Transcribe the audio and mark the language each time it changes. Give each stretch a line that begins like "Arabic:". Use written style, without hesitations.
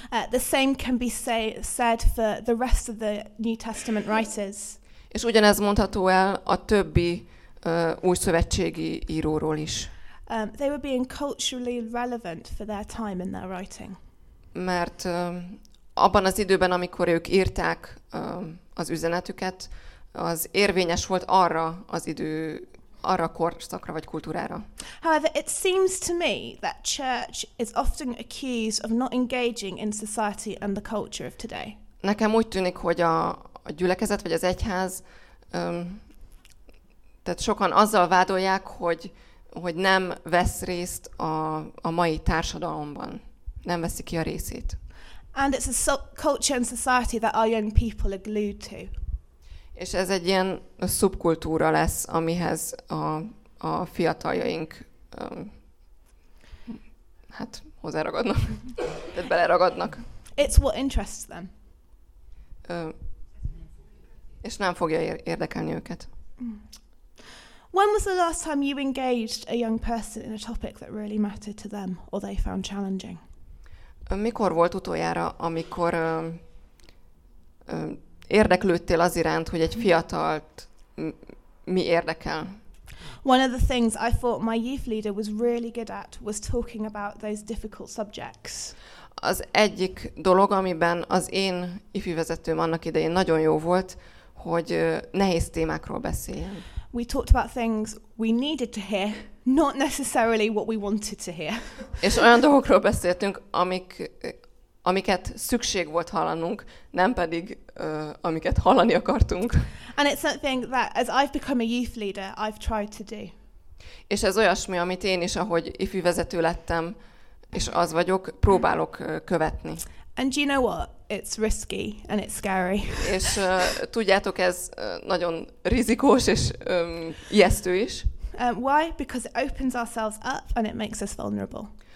English: The same can be said for the rest of the New Testament writers.
Hungarian: És ugyanez mondható el a többi újszövetségi íróról is.
English: They were being culturally relevant for their time in their writing.
Hungarian: Mert abban az időben, amikor ők írták az üzenetüket, az érvényes volt arra az idő, arra a korszakra vagy kultúrára.
English: However, it seems to me that church is often accused of not engaging in society and the culture of today.
Hungarian: Nekem úgy tűnik, hogy a gyülekezet vagy az egyház, tehát sokan azzal vádolják, hogy nem vesz részt a mai társadalomban, nem veszi ki a részét.
English: And it's a culture and society that our young people are glued to.
Hungarian: És ez egy ilyen szubkultúra lesz, amihez a fiataljaink hozzáragadnak, tehát beleragadnak.
English: It's what interests them.
Hungarian: És nem fogja érdekelni őket.
English: When was the last time you engaged a young person in a topic that really mattered to them or they found challenging?
Hungarian: Mikor volt utoljára, amikor érdeklődtél az iránt, hogy egy fiatalt mi érdekel?
English: One of the things I thought my youth leader was really good at was talking about those difficult subjects.
Hungarian: Az egyik dolog, amiben az én ifjú vezetőm annak idején nagyon jó volt, hogy nehéz témákról beszéljen.
English: We talked about things we needed to hear, not necessarily what we wanted to hear.
Hungarian: És olyan dolgokról beszéltünk, amiket szükség volt hallanunk, nem pedig amiket hallani akartunk.
English: And it's something that, as I've become a youth leader, I've tried to do.
Hungarian: És ez olyasmi, amit én is, ahogy ifjú vezető lettem, és az vagyok, próbálok követni.
English: And you know what? It's risky and it's scary.
Hungarian: És tudjátok, ez nagyon rizikós és ijesztő is.
English: Why? Because it opens ourselves up and it makes us vulnerable.